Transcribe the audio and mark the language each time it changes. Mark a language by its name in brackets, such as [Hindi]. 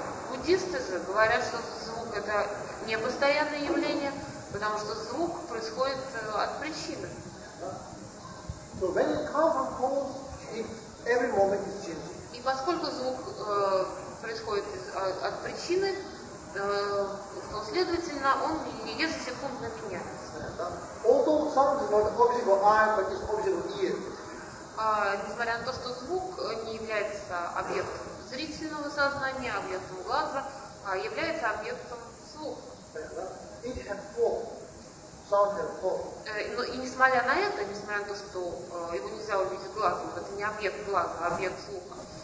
[Russian] Буддисты же говорят, что звук это не постоянное явление, потому что звук происходит от причины. [English] So when it comes from cause, every moment is changing. [Russian] И поскольку звук происходит от причины, то следовательно он ежесекундно меняется. [English] Although sound is not object of eye, but it's object of ear. [Russian] Несмотря на то, что звук не является объектом зрительного сознания, объектом глаза, а является объектом слуха. И несмотря на это, несмотря на то, что его нельзя увидеть глазом, это не объект глаза, а объект слуха.